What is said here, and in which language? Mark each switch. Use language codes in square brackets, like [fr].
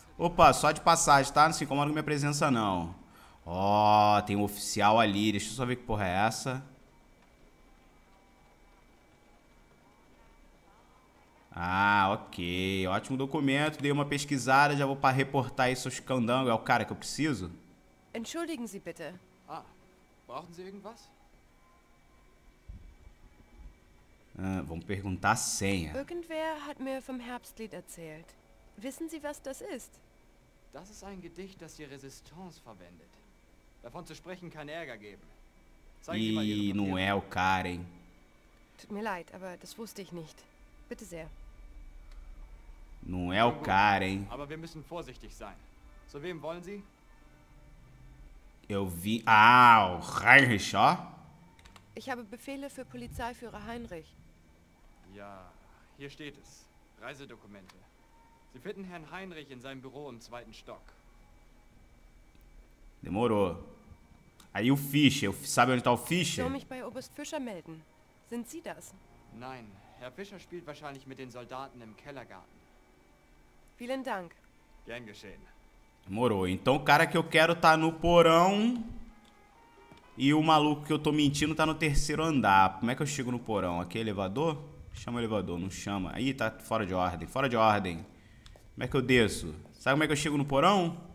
[pt] Opa, só de passagem, tá? Não se incomoda com minha presença, não. Ó, tem um oficial ali. Deixa eu só ver que porra é essa. Ah, ok. Ótimo documento. Dei uma pesquisada, já vou pra reportar isso aos candangos. É o cara que eu preciso? [de] Entschuldigen Sie bitte. Ah, brauchen Sie irgendwas? [pt] Vamos perguntar a senha. [de] Irgendwer hat mir vom Herbstlied erzählt. Wissen Sie, was das ist? Das ist ein Gedicht, das die Resistance verwendet. Davon zu sprechen kann Ärger geben. [pt] Não é o cara, hein? [de] Tut mir leid, aber das wusste ich nicht. Bitte sehr. [pt] Não é o cara, hein? [de] Aber wir müssen vorsichtig sein. Zu wem wollen Sie? [pt] Eu vi... Ah, o Heinrich, ó. [de] Ich habe Befehle für Polizeiführer Heinrich. Ja, hier steht es. Reisedokumente. Sie finden Herrn Heinrich in seinem Büro im zweiten Stock. [pt] Demorou. Aí o Fischer. Sabe onde está o Fischer? [de] Soll mich bei Oberst Fischer melden. Sind Sie das? Nein, Herr Fischer spielt wahrscheinlich mit den Soldaten im Kellergarten. Vielen Dank. Gern geschehen. [pt] Demorou. Então o cara que eu quero tá no porão... E o maluco que eu tô mentindo tá no terceiro andar. Como é que eu chego no porão? Aqui é elevador? Chama o elevador, não chama. Aí tá fora de ordem, fora de ordem. Como é que eu desço? Sabe como é que eu chego no porão?